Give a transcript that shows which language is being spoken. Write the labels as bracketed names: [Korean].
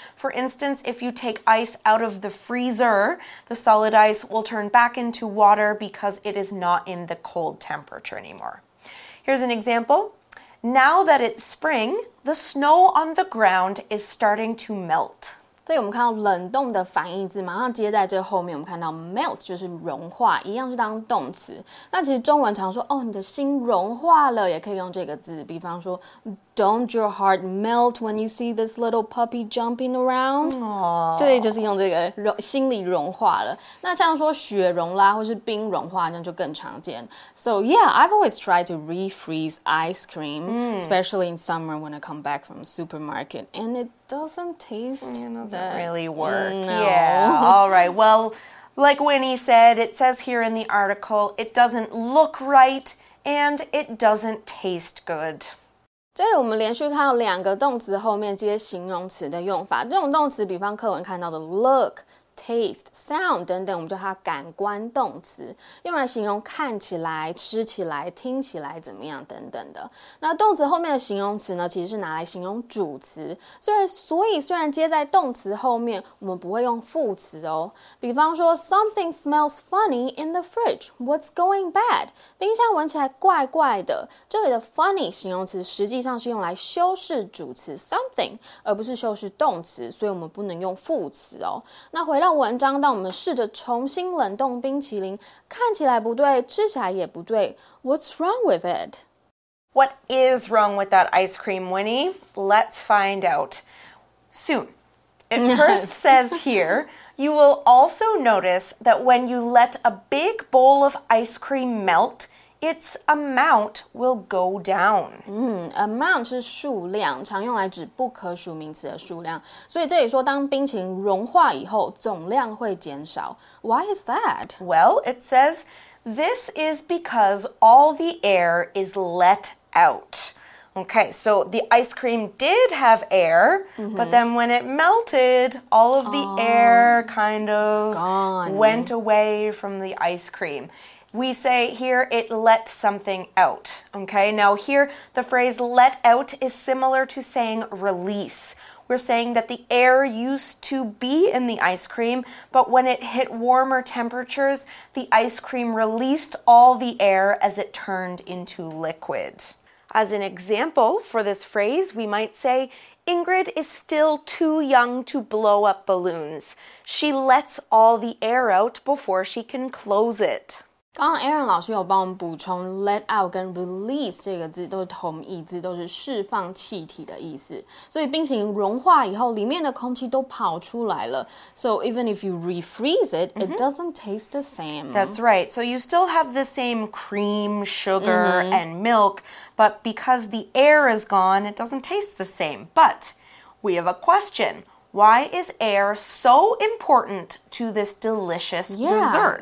[English] For instance, if you take ice out of the freezer, the solid ice will turn back into water because it is not in the cold temperature anymore. Here's an example. Now that it's spring, the snow on the ground is starting to melt. [Chinese] 所以我们看到冷冻的反义字马上接在这后面，我们看到 melt 就是融化，一样是当动词。那其实中文常说，哦，你的心融化了，也可以用这个字，比方说 [English] Don't your heart melt when you see this little puppy jumping around? [Chinese] 对，就是用这个心里融化了。那像说雪融啦，或是冰融化，那就更常见。 [English] So yeah, I've always tried to refreeze ice cream, especially in summer when I come back from the supermarket, and it doesn't taste doesn't really work. No. Yeah. All right. Well, like Winnie said, it says here in the article, it doesn't look right and it doesn't taste good. [Chinese] 这里我们连续看到两个动词后面接形容词的用法，这种动词比方课文看到的 look, taste, sound 等等，我们叫它感官动词，用来形容看起来、吃起来、听起来怎么样等等的。那动词后面的形容词呢，其实是拿来形容主词，虽然接在动词后面，我们不会用副词哦。比方说 [English] something smells funny in the fridge, what's going bad? [Chinese] 冰箱闻起来怪怪的，这里的 funny 形容词实际上是用来修饰主词 something, 而不是修饰动词，所以我们不能用副词哦。那回到文章，当我们试着重新冷冻冰淇淋，看起来不对，吃起来也不对。 [English] What's wrong with it? What is wrong with that ice cream, Winnie? Let's find out soon. It first says here, you will also notice that when you let a big bowl of ice cream melt, its amount will go down. [Chinese] Amount 是数量，常用来指不可数名词的数量。所以这里说当冰淇淋融化以后，总量会减少。 [English] Why is that? Well, it says, this is because all the air is let out. Okay, so the ice cream did have air, but then when it melted, all of the air kind of went away from the ice cream. We say here, it let something out, okay? Now here, the phrase let out is similar to saying release. We're saying that the air used to be in the ice cream, but when it hit warmer temperatures, the ice cream released all the air as it turned into liquid. As an example for this phrase, we might say, Ingrid is still too young to blow up balloons. She lets all the air out before she can close it. [Chinese] 刚刚 Aaron 老师有帮我们补充 let out 跟 release 这个字都是同义字，都是释放气体的意思。所以冰淇淋融化以后，里面的空气都跑出来了。 [English] So even if you refreeze it, it doesn't taste the same. That's right. So you still have the same cream, sugar, and milk, but because the air is gone, it doesn't taste the same. But we have a question. Why is air so important to this delicious dessert?